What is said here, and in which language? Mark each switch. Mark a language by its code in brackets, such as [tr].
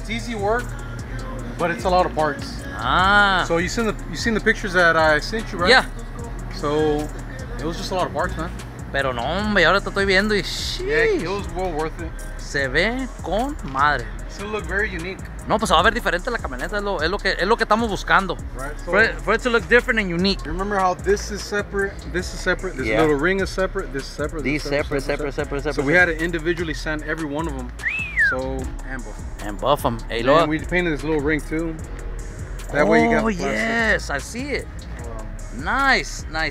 [en] It's easy work, but it's a lot of parts. Ah. So you seen the pictures that I sent you, right? Yeah. So it was just a lot of parts, man. [es] Pero no, hombre, ahora te estoy viendo y sheesh. [en] Yeah, it was well worth it. [es] Se ve con madre. [en] So it looked very unique. [es] No, pues se va a ver diferente la camioneta, es lo que estamos buscando. [en] Right, so for it to look different and unique. Remember how this is separate, this little ring is separate, this is separate. These separate. So we had to individually sand every one of them. So, and buff them. Hey, and we painted this little ring too. That way you got plastic. Oh, yes, I see it. Nice.